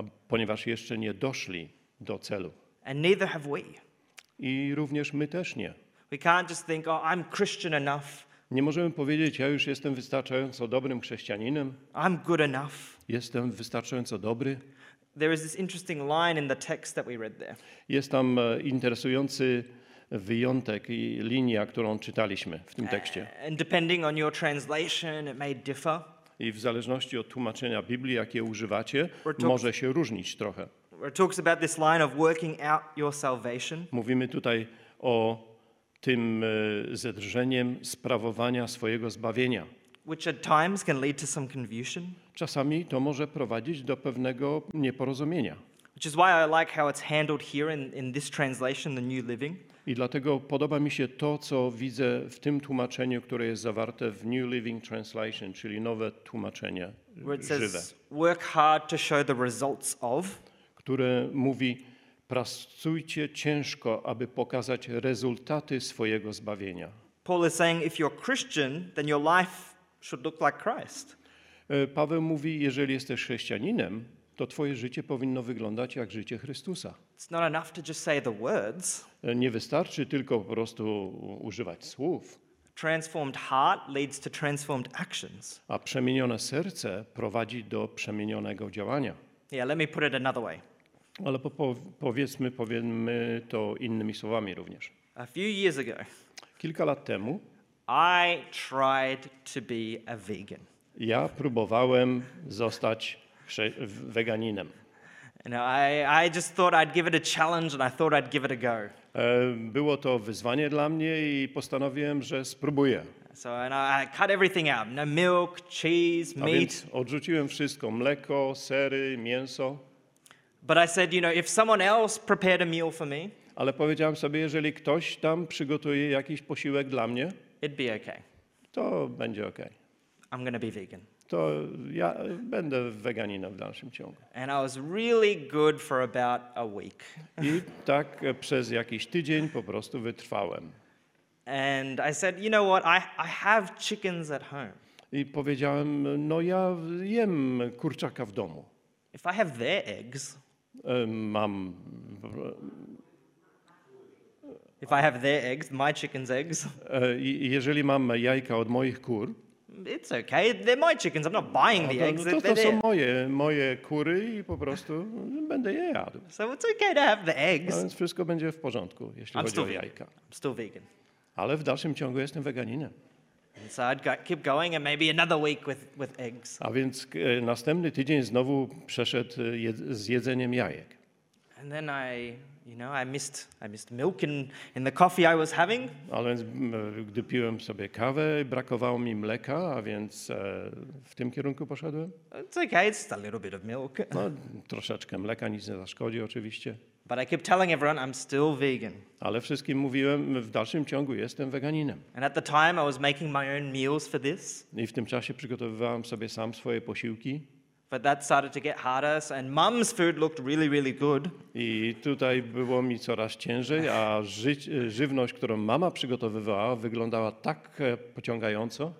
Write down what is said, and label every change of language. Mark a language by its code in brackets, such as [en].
[pl] Ponieważ jeszcze nie doszli do celu. [en] And neither have we. [pl] I również my też nie. [en] We can't just think, oh, I'm Christian enough. [pl] Nie możemy powiedzieć, ja już jestem wystarczająco dobrym chrześcijaninem. [en] I'm good enough. [pl] Jestem wystarczająco dobry. [en] There is this interesting line in the text that we read there. [pl] Jest tam interesujący wyjątek i linia, którą czytaliśmy w tym tekście. [en] And depending on your translation, it may differ. [pl] I w zależności od tłumaczenia Biblii, jakie używacie, może się różnić trochę. [en] It talks about this line of working out your salvation. [pl] Mówimy tutaj o tym zedrżeniem sprawowania swojego zbawienia. [en] Which at times can lead to some confusion. [pl] Czasami to może prowadzić do pewnego nieporozumienia. [en] Which is why I like how it's handled here in this translation, the New Living. [pl] I dlatego podoba mi się to, co widzę w tym tłumaczeniu, które jest zawarte w New Living Translation, czyli nowe tłumaczenie żywe. [en] Where it says, work hard to show the results of. [pl] Które mówi, pracujcie ciężko, aby pokazać rezultaty swojego zbawienia. [en] Paul is saying, if you're Christian, then your life should look like Christ. [pl] Paweł mówi, jeżeli jesteś chrześcijaninem, to twoje życie powinno wyglądać jak życie Chrystusa. [en] It's not enough to just say the words. [pl] Nie wystarczy tylko po prostu używać słów. [en] Transformed heart leads to transformed actions. [pl] A przemienione serce prowadzi do przemienionego działania. [en] Yeah, let me put it another way. [pl] Ale powiedzmy to innymi słowami również. [en] A few years ago, [pl] kilka lat temu, [en] I tried to be a vegan. [pl] Ja próbowałem zostać weganinem. [en] I just thought I'd give it a challenge and I thought I'd give it a go. [pl] Było to wyzwanie dla mnie i postanowiłem, że spróbuję. [en] So and I cut everything out. No milk, cheese, meat. [pl] A więc odrzuciłem wszystko: mleko, sery, mięso. [en] But I said, you know, if someone else prepared a meal for me, [pl] ale powiedziałem sobie, jeżeli ktoś tam przygotuje jakiś posiłek dla mnie, [en] it'd be okay. [pl] To będzie okay. [en] I'm gonna be vegan. [pl] To ja będę weganinem w dalszym ciągu. [en] And I was really good for about a week. [pl] I tak przez jakiś tydzień po prostu wytrwałem. [en] And I said, you know what, I have chickens at home. [pl] I powiedziałem, no ja jem kurczaka w domu. [en] If I have their eggs. [pl] Mam. [en] If I have their eggs, my chickens' eggs. [pl] Jeżeli mam jajka od moich kur. [en] It's okay. They're my chickens. I'm not buying the eggs. [pl] To są moje kury i po prostu będę je jadł. [en] So it's okay to have the eggs. [pl] Więc wszystko będzie w porządku, jeśli chodzi o jajka. [en] I'm still vegan. [pl] Ale w dalszym ciągu jestem weganinem. [en] And so I'd keep going and maybe another week with eggs. [pl] A więc następny tydzień znowu przeszedł z jedzeniem jajek. [en] And then I missed milk in the coffee I was having. [pl] Ale więc gdy piłem sobie kawę, brakowało mi mleka, a więc w tym kierunku poszedłem. [en] It's okay, it's a little bit of milk. [pl] No, troszeczkę mleka, nic nie zaszkodzi oczywiście. [en] But I kept telling everyone I'm still vegan. [pl] Ale wszystkim mówiłem, w dalszym ciągu jestem weganinem. [en] And at the time I was making my own meals for this. [pl] I w tym czasie przygotowywałem sobie sam swoje posiłki. [en] But that started to get harder, so and mum's food looked really, really good. [pl] I tutaj było mi coraz ciężej, a żywność, którą mama przygotowywała, wyglądała tak pociągająco.